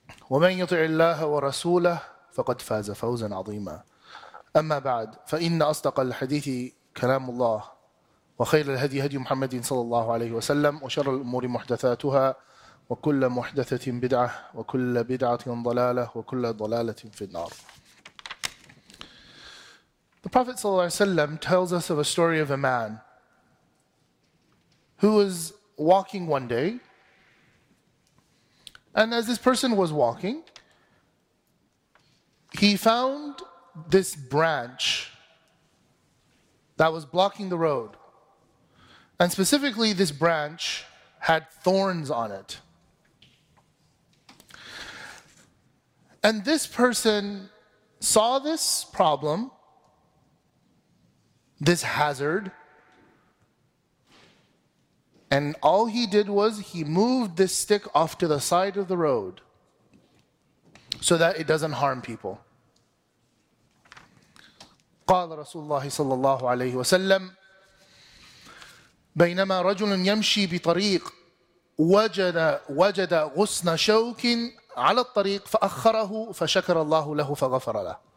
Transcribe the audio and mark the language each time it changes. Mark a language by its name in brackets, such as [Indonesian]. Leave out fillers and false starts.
[Arabic] ومن يطع الله ورسوله فقد فاز فوزا عظيما أما بعد فإن أصدق الحديث كلام الله وخير الهدي هدي محمد صلى الله عليه وسلم وشر الأمور محدثاتها وكل محدثة بدعة وكل بدعة ضلالة وكل ضلالة في النار. [English] The Prophet صلى الله عليه وسلم tells us of a story of a man who was walking one day, and as this person was walking, he found this branch that was blocking the road. And specifically, this branch had thorns on it. And this person saw this problem, this hazard, and all he did was he moved this stick off to the side of the road so that it doesn't harm people. [Arabic] قال رسول الله صلى الله عليه وسلم بينما رجل يمشي بطريق وجد غصن شوك على الطريق فأخره فشكر الله له فغفر له.